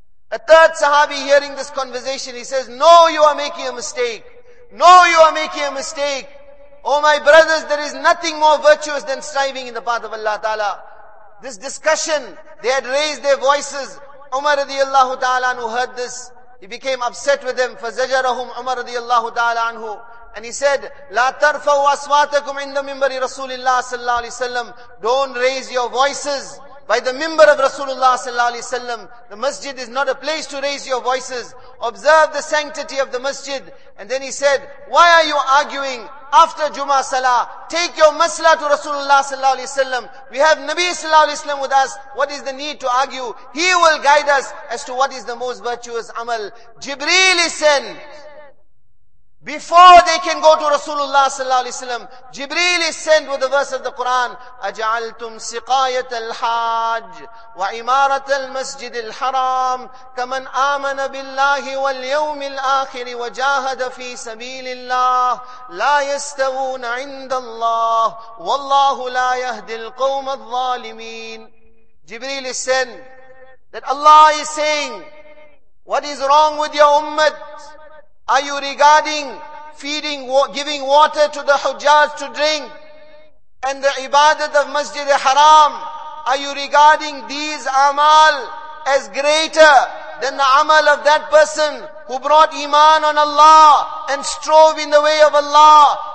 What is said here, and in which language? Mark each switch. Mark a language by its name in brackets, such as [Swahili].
[English] A third sahabi hearing this conversation, he says, no, you are making a mistake. No, you are making a mistake. Oh my brothers, there is nothing more virtuous than striving in the path of Allah Ta'ala. This discussion, they had raised their voices. Umar radiallahu ta'ala who heard this, he became upset with them. [Arabic] فَزَجَرَهُمْ عُمَرْ رَضِيَ اللَّهُ تَعَالَىٰ عَنْهُ. [English] And he said, [Arabic] لَا تَرْفَوْا أَصْوَاتَكُمْ عِنْدَ مِنْبَرِ رَسُولِ اللَّهِ صَلَّى اللَّهِ وَسَلَّمْ. [English] Don't raise your voices by the member of Rasulullah sallallahu alayhi wa sallam. The masjid is not a place to raise your voices. Observe the sanctity of the masjid. And then he said, why are you arguing after Jummah Salah? Take your masla to Rasulullah sallallahu alayhi wa sallam. We have Nabi sallallahu alayhi wa sallam with us. What is the need to argue? He will guide us as to what is the most virtuous amal. Jibreel is sent. Before they can go to Rasulullah sallallahu alaihi wasallam, Jibreel is sent with the verse of the Quran, [Arabic] أَجْعَلْتُمْ سِقَايَةَ الْحَاجِّ وَعِمَارَةَ الْمَسْجِدِ الْحَرَامِ كَمَنْ آمَنَ بِاللَّهِ وَالْيَوْمِ الْآخِرِ وَجَاهَدَ فِي سَبِيلِ اللَّهِ لَا يَسْتَوُونَ عِنْدَ اللَّهِ وَاللَّهُ لَا يَهْدِي الْقَوْمَ الظَّالِمِينَ. [English] Jibreel is sent that Allah is saying, what is wrong with your ummah? Are you regarding feeding, giving water to the hujjaj to drink and the ibadat of Masjid al-Haram? Are you regarding these amal as greater than the amal of that person who brought iman on Allah and strove in the way of Allah?